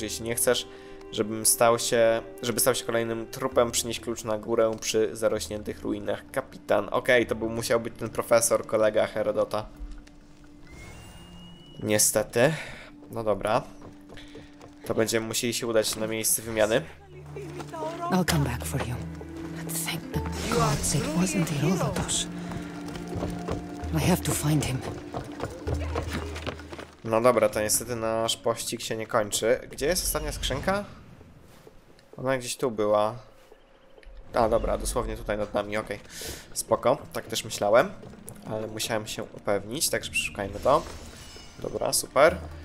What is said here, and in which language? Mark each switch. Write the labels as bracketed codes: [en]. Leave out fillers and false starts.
[pl] Jeśli nie chcesz, żeby stał się kolejnym trupem, przynieś klucz na górę przy zarośniętych ruinach. Kapitan, okej, okay, to musiał być ten profesor, kolega Herodota. Niestety. No dobra. To będziemy musieli się udać na miejsce wymiany. [en] I'll come back for you. But thank the gods it wasn't the Ovatosh. I have to find him. [pl] No dobra, to niestety nasz pościg się nie kończy. Gdzie jest ostatnia skrzynka? Ona gdzieś tu była. A dobra, dosłownie tutaj nad nami, okej. Okay. Spoko, tak też myślałem. Ale musiałem się upewnić, także przeszukajmy to. Dobra, super.